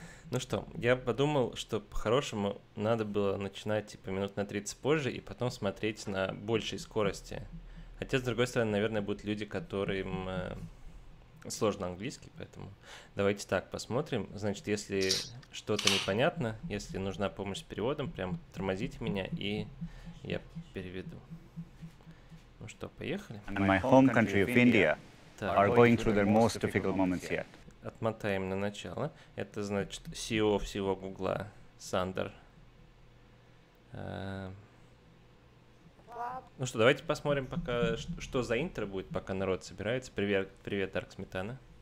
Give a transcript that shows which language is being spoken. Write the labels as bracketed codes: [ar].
[ru] Ну что, я подумал, что по-хорошему надо было начинать типа минут на 30 позже и потом смотреть на большей скорости. Хотя, с другой стороны, наверное, будут люди, которым сложно английский, поэтому давайте так посмотрим. Значит, если что-то непонятно, если нужна помощь с переводом, прям тормозите меня, и я переведу. Ну что, поехали? [en] And my home country of India are going through their most difficult moments yet. [ru] Отмотаем на начало. Это значит CEO всего Гугла Сандер. Ну что, давайте посмотрим, пока что за интро будет, пока народ собирается. Привет, привет, Дарк Сметана.